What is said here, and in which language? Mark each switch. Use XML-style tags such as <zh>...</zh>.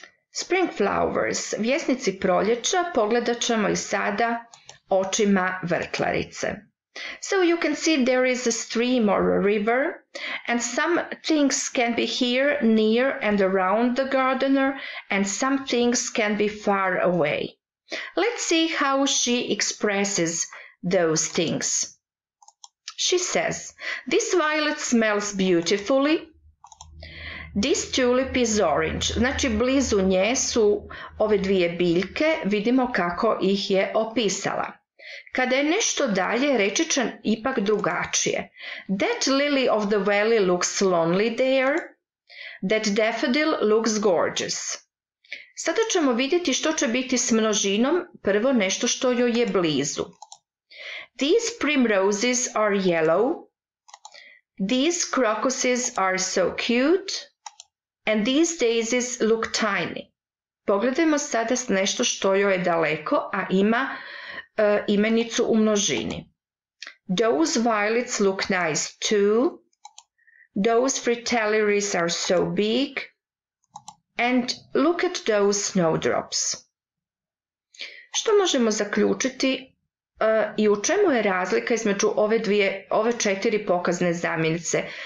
<en>Spring flowers,</en> <hr>vjesnici proljeća, pogledat ćemo i sada očima vrtlarice.</hr> <en>So you can see there is a stream or a river, and some things can be here, near and around the gardener, and some things can be far away. Let's see how she expresses those things. She says, this violet smells beautifully. This tulip is orange.</en> <hr>Znači, blizu nje su ove dvije biljke, vidimo kako ih je opisala. Kada je nešto dalje, reći će ipak drugačije.</hr> <en>That lily of the valley looks lonely there. That daffodil looks gorgeous.</en> <hr>Sada ćemo vidjeti što će biti s množinom, prvo nešto što joj je blizu.</hr> <en>These primroses are yellow. These crocuses are so cute. And these daisies look tiny.</en> <hr>Pogledajmo sada nešto što joj je daleko, a ima imenicu u množini.</hr> <en>Those violets look nice too. Those fritillaries are so big. And look at those snowdrops.</en> <hr>Što možemo zaključiti i u čemu je razlika između ove četiri pokazne zamjenice?</hr>